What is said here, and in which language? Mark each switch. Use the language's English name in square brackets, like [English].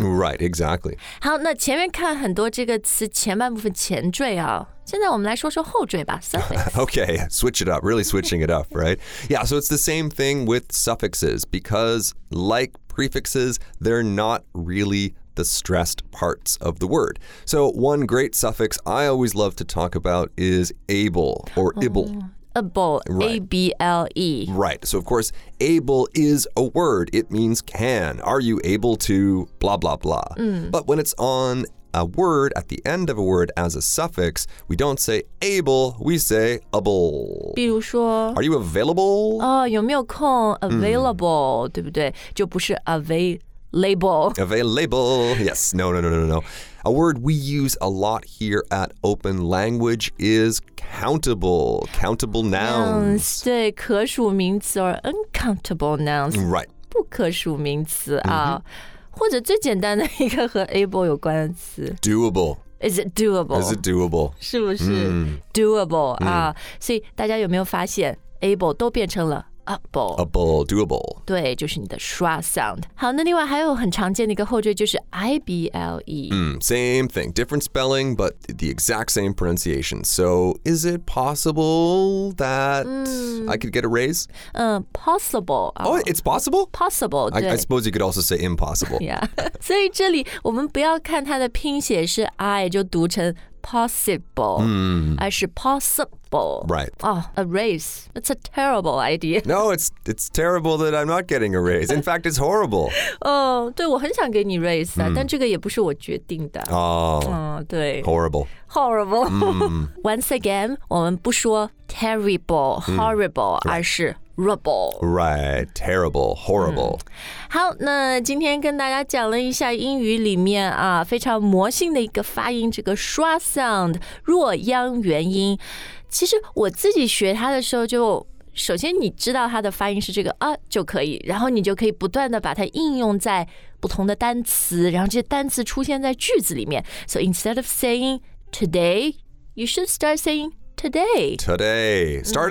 [English] Right, exactly. [Chinese] 好，那前面看很多这个词前半部分前缀啊、哦。现在我们来说说后缀吧 [English] Okay, switch it up, really switching it up, right? Yeah, so it's the same thing with suffixes, because like prefixes, they're not really the stressed parts of the word. So one great suffix I always love to talk about is able or ible. Able, right. A-B-L-E. Right, so of course, able is a word. It means can. Are you able to blah, blah, blah?、 Mm. But when it's on... A word at the end of a word as a suffix, we don't say able, we say able. [Chinese] 比如说 [English] Are you available? [Chinese] 哦、oh, 有没有空 Available,、mm. 对不对就不是 available. [English] Available, yes. No. A word we use a lot here at Open Language is countable. Countable nouns. [Chinese] 对可数名词 or uncountable nouns. [English] Right. [Chinese] 不可数名词啊。Mm-hmm. 或者最简单的一个和 able 有关的词 [English] Doable Is it doable? Is it doable? [Chinese] 是不是、mm. Doable 啊、所以大家有没有发现 able 都变成了 [English] a bowl. A bowl, do a bowl. [Chinese] 对，就是你的 schwa sound. 好，那另外还有很常见的一个后缀就是 ible. [English] Same thing, different spelling, but the exact same pronunciation. So is it possible that I could get a raise? Possible. Oh, it's possible? Possible, 对。 I suppose you could also say impossible. Yeah. [Chinese] 所以这里我们不要看它的拼写是 I, 就读成possible, I should possible. [English] Right. Oh, a raise. That's a terrible idea. No, it's terrible that I'm not getting a raise. In fact, it's horrible. [Chinese] Oh, 对，我很想给你 raise, 但这个也不是我决定的。对。 [English] Horrible. Horrible. [Chinese] Once again, 我们不说 terrible, horrible, 而是Horrible. [English] Right, terrible, horrible. [Chinese] 好，那今天跟大家讲了一下英语里面啊非常魔性的一个发音，这个 schwa sound 弱央元音。其实我自己学它的时候，就首先你知道它的发音是这个啊就可以，然后你就可以不断的把它应用在不同的单词，然后这些单词出现在句子里面。 [English] So instead of saying today, you should start saying. Today.